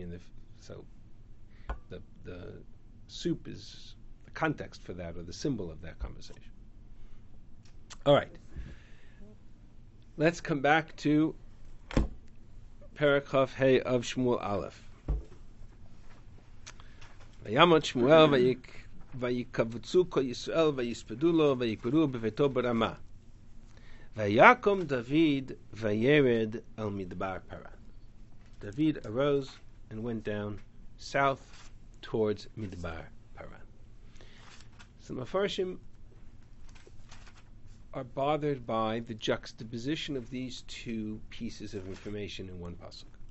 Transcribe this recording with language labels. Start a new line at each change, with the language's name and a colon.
English: And so the soup is the context for that or the symbol of that conversation. All right. Let's come back to Perek Chaf Hey of Shmuel Aleph.
Hebrew: ויאמר שמואל ויקבצו כל ישראל ויספדו לו ויקברו בביתו ברמה. ויקום דוד וירד אל מדבר פרן.
English: David arose and went down south towards מדבר פרן. So the Mepharshim are bothered by the juxtaposition of these two pieces of information in one pasuk.